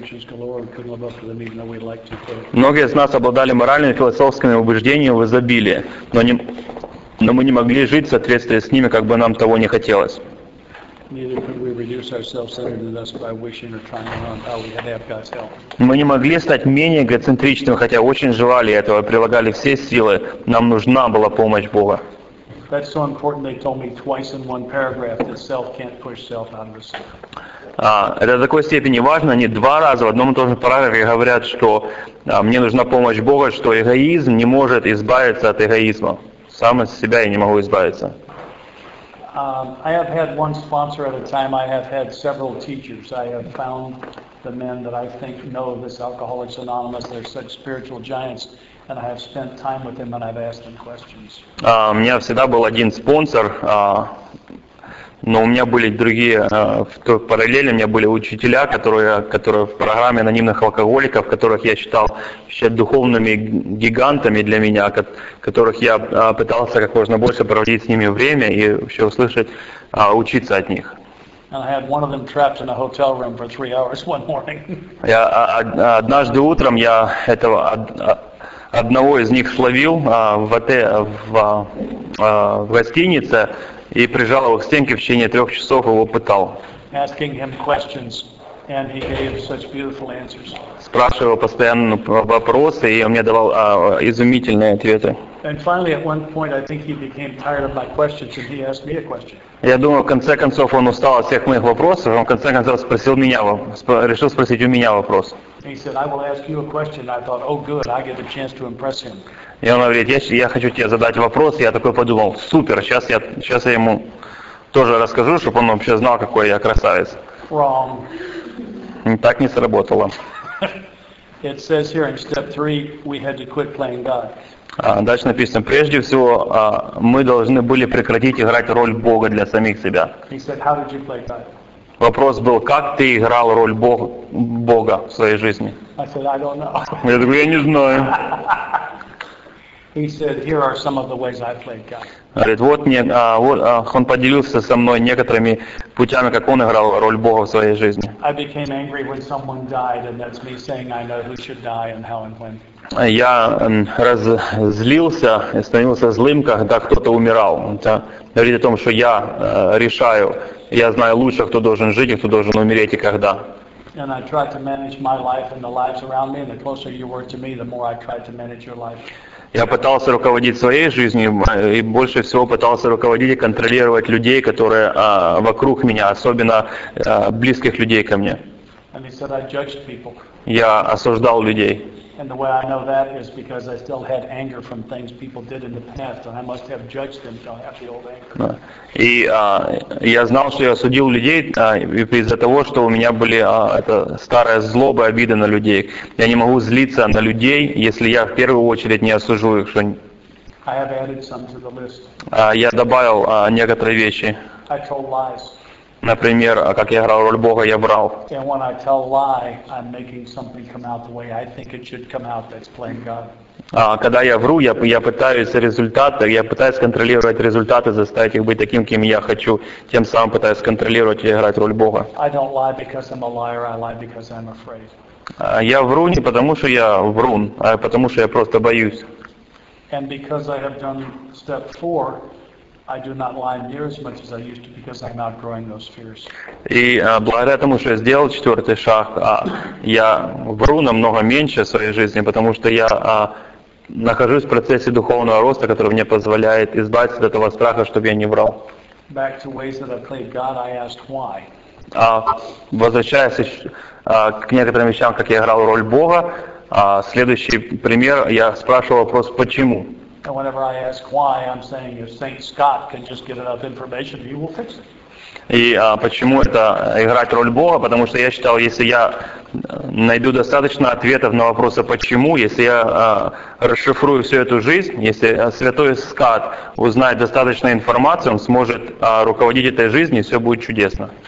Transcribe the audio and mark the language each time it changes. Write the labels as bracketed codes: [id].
[ru] Многие из нас обладали моральными и философскими убеждениями в изобилии, но мы не могли жить в соответствии с ними, как бы нам того не хотелось. [en] Neither could we reduce ourselves to us by wishing or trying to run how we had have God's help. [ru] Мы не могли стать менее эгоцентричными, хотя очень желали этого, прилагали все силы. Нам нужна была помощь Бога. [en] That's so important. They told me twice in one paragraph that self can't push self out of itself. [ru] Это до такой степени важно. Они два раза в одном и том же параграфе говорят, что мне нужна помощь Бога, что эгоизм не может избавиться от эгоизма. Сам из себя я не могу избавиться. [en] I have had one sponsor at a time. I have had several teachers. I have found the men that I think know this Alcoholics Anonymous. They're such spiritual giants, and I have spent time with them and I've asked them questions. [ru] У меня всегда был один спонсор, но у меня были другие в той параллели. У меня были учителя, которые в программе анонимных алкоголиков, которых я считал вообще духовными гигантами для меня, которых я пытался как можно больше проводить с ними время и вообще услышать, учиться от них. [en] And I had one of them trapped in a hotel room for 3 hours one morning. [ru] Я однажды утром я этого одного из них словил в гостинице и прижал его к стенке в течение 3 часов, его пытал. [en] Asking him questions, and he gave such beautiful answers. [ru] Спрашивал постоянно вопросы, и он мне давал изумительные ответы. [en] And finally, at one point, I think he became tired of my questions, and he asked me a question. [ru] Я думаю, в конце концов, он устал от всех моих вопросов, он в конце концов решил спросить у меня вопрос. [en] He said, I will ask you a question. I thought, oh, good, I get a chance to impress him. [ru] И он говорит, я хочу тебе задать вопрос, я такой подумал, супер, сейчас я ему тоже расскажу, чтобы он вообще знал, какой я красавец. [en] Wrong. [ru] Так не сработало. [en] It says here in step 3, we had to quit playing God. [ru] Дальше написано, прежде всего, мы должны были прекратить играть роль Бога для самих себя. [en] He said, how did you play God? [ru] Вопрос был, как ты играл роль Бога в своей жизни? [en] I said, I don't know. [ru] Я говорю, я не знаю. [en] He said, "Here are some of the ways I played God." [ru] Говорит, вот мне, он поделился со мной некоторыми путями, как он играл роль Бога в своей жизни. [en] I became angry when someone died, and that's me saying I know who should die and how and when. [ru] Я разозлился и становился злым, когда кто-то умирал. Это говорит о том, что я решаю, я знаю лучше, кто должен жить и кто должен умереть и когда. [en] And I tried to manage my life and the lives around me, and the closer you were to me, the more I tried to manage your life. [ru] Я пытался руководить своей жизнью и больше всего пытался руководить и контролировать людей, которые вокруг меня, особенно близких людей ко мне. [en] And he said, I judged people. [ru] Я осуждал людей. [en] And the way I know that is because I still had anger from things people did in the past, and I must have judged them to have the old anger. [ru] И я знал, что я осудил людей из-за того, что у меня были это старая злоба и обида на людей. Я не могу злиться на людей, если я в первую очередь не осужу их. Что... [en] I have added some to the list. [ru] Я добавил некоторые вещи. [en] I told lies. [ru] Например, как я играл роль Бога, я брал. [en] And when I tell lie, I'm making something come out the way I think it should come out. That's playing God. [ru] Когда я вру, я пытаюсь результаты, я пытаюсь контролировать результаты, заставить их быть таким, кем я хочу, тем самым пытаюсь контролировать и играть роль Бога. [en] I don't lie because I'm a liar. I lie because I'm afraid. [ru] Я вру не потому, что я врун, а потому, что я просто боюсь. [en] And because I have done step four. I do not lie near as much as I used to because I'm outgrowing those fears. [ru] И благодаря тому, что я сделал четвертый шаг, я вру намного меньше в своей жизни, потому что я нахожусь в процессе духовного роста, который мне позволяет избавиться от этого страха, чтобы я не врал. [en] Back to ways that I played God, I asked why. [ru] Возвращаясь к некоторым вещам, как я играл роль Бога, следующий пример, я спрашивал вопрос «почему?». [en] And whenever I ask why, I'm saying if Saint Scott can just get enough information, he will fix it. [ru] И почему это играть роль Бога? Потому что я считал, если я найду достаточно ответов на вопросы почему, если я расшифрую всю эту жизнь, если святой Скотт узнает достаточно информации, он сможет руководить этой жизнью, и все будет чудесно.